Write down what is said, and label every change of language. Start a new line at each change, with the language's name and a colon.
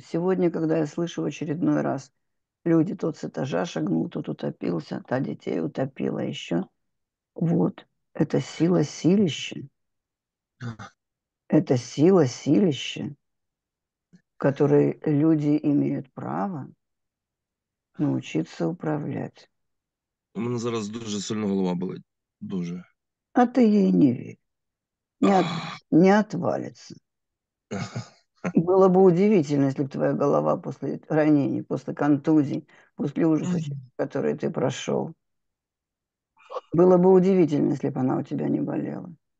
Russian: Сегодня, когда я слышу в очередной раз, люди, тот с этажа шагнул, тот утопился, та детей утопила еще. Вот, это сила силища. Это сила силища, которой люди имеют право научиться управлять.
Ukrainian: У меня зараз дуже сильно голова болит. Дуже.
Russian: А ты ей не верь. Не отвалится. Было бы удивительно, если бы твоя голова после ранений, после контузий, после ужасов, которые ты прошел, было бы удивительно, если бы она у тебя не болела.